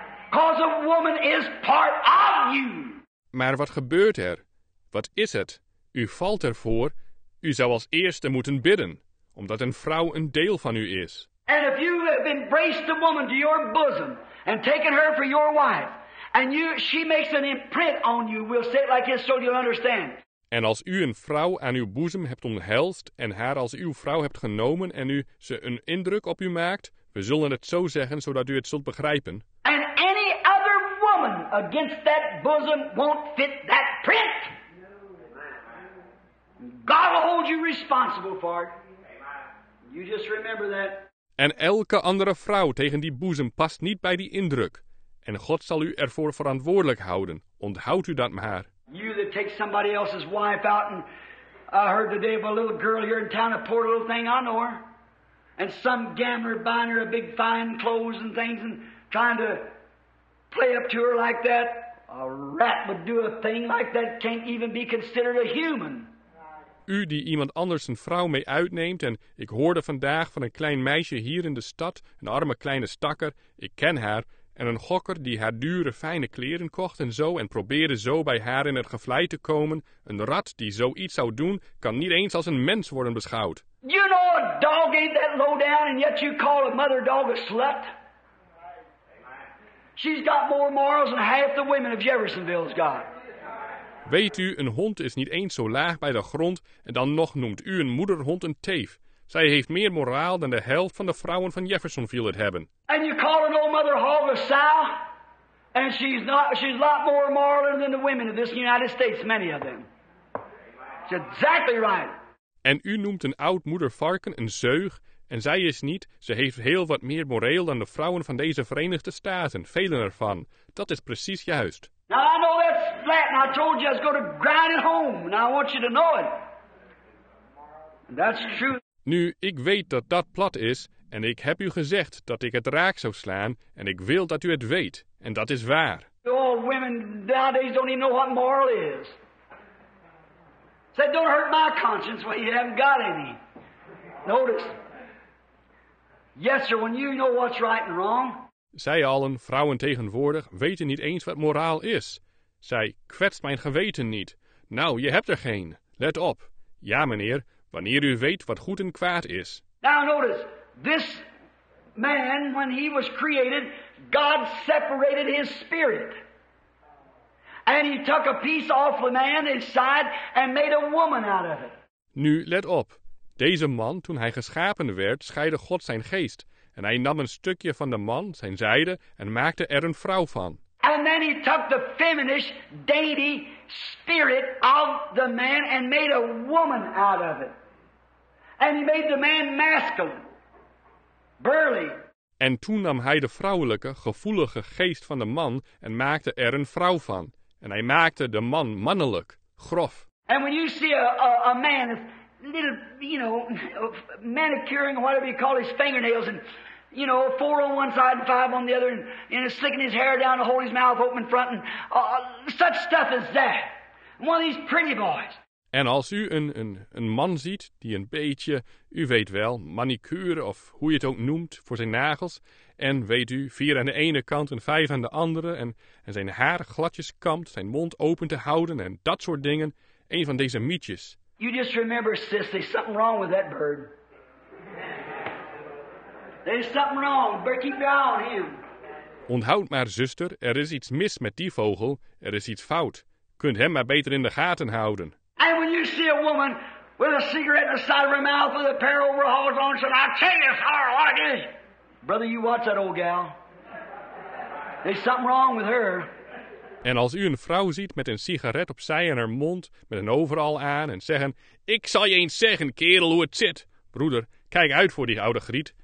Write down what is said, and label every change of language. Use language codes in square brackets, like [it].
[en] Because a woman is part of you. [nl] Maar wat gebeurt er? Wat is het? U valt ervoor. U zou als eerste moeten bidden. Omdat een vrouw een deel van u is. [en] And if you have embraced a woman to your bosom and taken her for your wife. And she makes an imprint on you. We'll say it like this so you'll understand. [nl] En als u een vrouw aan uw boezem hebt omhelst en haar als uw vrouw hebt genomen en u ze een indruk op u maakt, we zullen het zo zeggen zodat u het zult begrijpen. [en] And any other woman against that bosom won't fit that print. God will hold you responsible for it. You just remember that. [nl] En elke andere vrouw tegen die boezem past niet bij die indruk. En God zal u ervoor verantwoordelijk houden. Onthoud u dat maar. [en] You that take somebody else's wife out and I heard the day of a little girl here in town, a poor little thing, I know her. And some gambler buying her a big fine clothes and things and trying to play up to her like that. A rat would do a thing like that, can't even be considered a human. [nl] U die iemand anders een vrouw mee uitneemt en ik hoorde vandaag van een klein meisje hier in de stad, een arme kleine stakker, ik ken haar, en een gokker die haar dure fijne kleren kocht en zo en probeerde zo bij haar in het gevlei te komen, een rat die zoiets zou doen, kan niet eens als een mens worden beschouwd. [en] You know a dog ain't that low down and yet you call a mother dog a slut. She's got more morals than half the women of Jeffersonville's got. [nl] Weet u, een hond is niet eens zo laag bij de grond en dan nog noemt u een moederhond een teef. Zij heeft meer moraal dan de helft van de vrouwen van Jeffersonville het hebben. [en] And you call an old mother hog a sow and she's a lot more moral than the women of this United States, many of them. She's exactly right. [nl] En u noemt een oud moeder varken een zeug en zij is niet, ze heeft heel wat meer moreel dan de vrouwen van deze Verenigde Staten, velen ervan. Dat is precies juist. [en] Now I know that's flat and I told you I was going to grind it home and I want you to know it. And that's true. [nl] Nu, ik weet dat dat plat is en ik heb u gezegd dat ik het raak zou slaan en ik wil dat u het weet en dat is waar. [en] All women nowadays don't even know what moral is. Said, don't hurt my conscience, well, you haven't got any. Notice. Yes, sir, when you know what's right and wrong. [nl] Zij allen, vrouwen tegenwoordig, weten niet eens wat moraal is. Zij kwetst mijn geweten niet. Nou, je hebt er geen. Let op. Ja, meneer, wanneer u weet wat goed en kwaad is. [en] Now, notice. This man, when he was created, God separated his spirit. And he took a piece off the man inside and made a woman out of it. [nl] Nu, let op. Deze man, toen hij geschapen werd, scheidde God zijn geest. En hij nam een stukje van de man, zijn zijde, en maakte er een vrouw van. [en] And then he took the feminine, dainty spirit of the man and made a woman out of it. And he made the man masculine. Burly. [nl] En toen nam hij de vrouwelijke, gevoelige geest van de man en maakte er een vrouw van. En hij maakte de man mannelijk, grof. [en] En when you see a man little, you know, manicuring or whatever you call his fingernails and you know, four on one side and five on the other and slicking his hair down to hold his mouth open in front and such stuff as that. One of these pretty boys. [nl] En als u een man ziet die een beetje, u weet wel, manicure of hoe je het ook noemt voor zijn nagels. En weet u, vier aan de ene kant en vijf aan de andere. En zijn haar gladjes kamt, zijn mond open te houden en dat soort dingen. Een van deze mietjes. [en] You just remember, sis, there's something wrong with that bird. There's something wrong, but keep your eye on him. [nl] Onthoud maar, zuster, er is iets mis met die vogel. Er is iets fout. Kunt hem maar beter in de gaten houden. [en] And when you see a woman with a cigarette in the side of her mouth with a pair of overalls on, she says, I tell you, sir, what it is. Brother, you watch that old gal. There's something wrong with her. [nl] En als u een vrouw ziet met een sigaret op zij en haar mond, met een overal aan en zeggen, ik zal je eens zeggen, kerel, hoe het zit. Broeder, kijk uit voor die oude griet.